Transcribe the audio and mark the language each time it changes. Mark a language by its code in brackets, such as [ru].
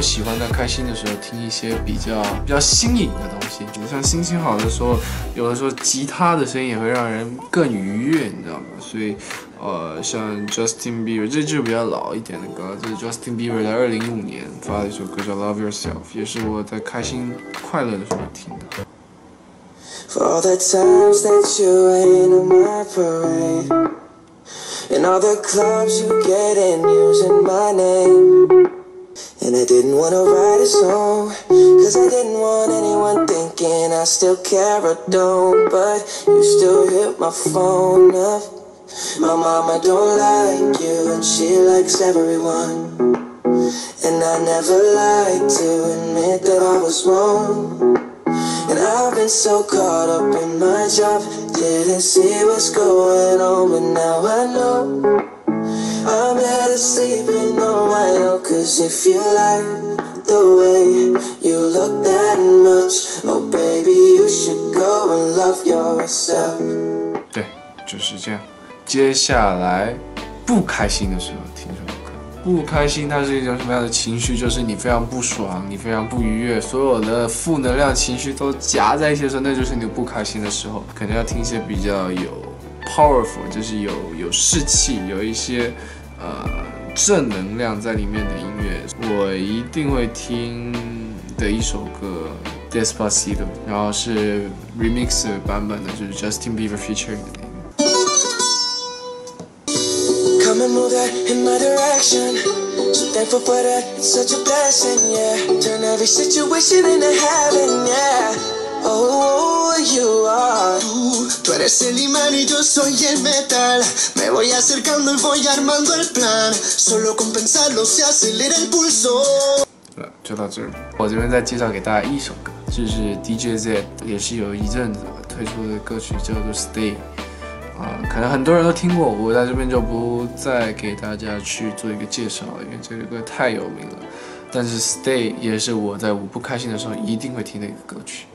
[zh] 我喜欢在开心的时候听一些比较新颖的东西，就像心情好的时候，有的时候吉他的声音也会让人更愉悦，你知道吗？所以像 Justin Bieber， 这就比较老一点的歌，就是 Justin Bieber 在2015年发的一首歌叫 Love Yourself， 也是我在开心快乐的时候听的。 [en] For all the times that you ain't on my parade, and all the clubs you get in using my name, and I didn't want to write a song, cause I didn't want anyone thinking I still care or don't, but you still hit my phone up. My mama don't like you, and she likes everyone, and I never like to admit that I was wrong. And I've been so caught up in my job, didn't see what's going on, but now I know I'm better sleeping on my own. Cause if you like the way you look that much, oh baby, you should go and love yourself. [zh] 对，就是这样。接下来不开心的时候听什么歌？不开心它是一种什么样的情绪？就是你非常不爽，你非常不愉悦，所有的负能量情绪都夹在一起的时候，那就是你不开心的时候。肯定要听一些比较有 powerful， 就是有士气，有一些正能量在里面的音乐。我一定会听的一首歌 Despacito， 然后是 remix 版本的，就是 Justin Bieber featuring 的。 [en] Come and move that in my direction. So thankful for that, it's such a blessing, yeah. Turn every situation into heaven, yeah. Oh, you are. [es] Tú eres el imán y yo soy el metal. Me voy acercando y voy armando el plan. Solo con pensarlo se acelera el pulso. [zh] 就到这儿，我这边再介绍给大家一首歌，就是 DJ Z 也是有一阵子推出的歌曲，叫做 Stay。可能很多人都听过，我在这边就不再给大家去做一个介绍，因为这个歌太有名了。但是 Stay 也是我在我不开心的时候一定会听的一个歌曲。